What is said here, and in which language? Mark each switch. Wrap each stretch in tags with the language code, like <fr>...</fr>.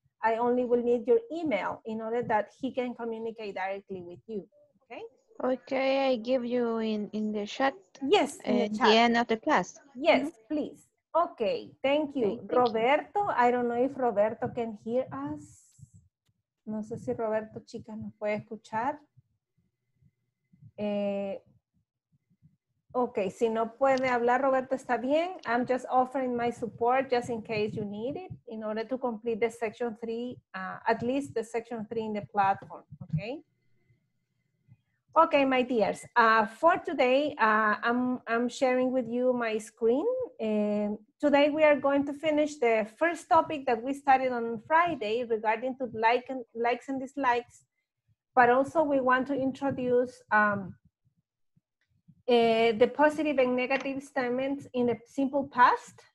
<en>I only will need your email in order that he can communicate directly with you, okay? Okay, I give you in the chat. Yes, in the chat. The end of the class. Yes, mm-hmm. Please. Okay, thank you. Thank Roberto, you. I don't know if Roberto can hear us.</en> <es>No sé si Roberto, chicas, nos puede escuchar. Okay, si no puede hablar, Roberto, está bien.</es> <en>I'm just offering my support just in case you need it in order to complete the section 3, at least the section 3 in the platform, okay? Okay, my dears, for today, I'm sharing with you my screen. Today, we are going to finish the first topic that we started on Friday regarding to likes and dislikes, but also we want to introduce the positive and negative statements in a simple past.</en>